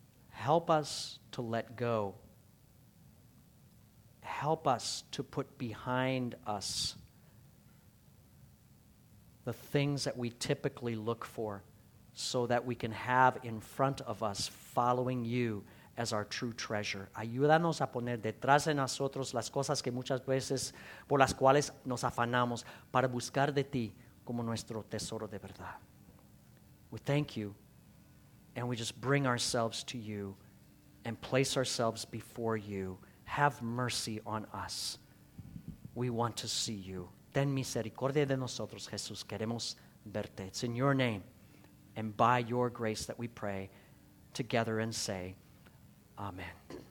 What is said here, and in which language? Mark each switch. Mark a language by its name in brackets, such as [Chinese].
[English] Help us to let go. Help us to put behind us the things that we typically look for so that we can have in front of us following you as our true treasure. [Spanish] Ayúdanos a poner detrás de nosotros las cosas que muchas veces por las cuales nos afanamos para buscar de ti como nuestro tesoro de verdad. [English] We thank you and we just bring ourselves to you and place ourselves before you. Have mercy on us. We want to see you. [Spanish] Ten misericordia de nosotros, Jesús. Queremos verte. [English] It's in your name and by your grace that we pray together and say, Amen.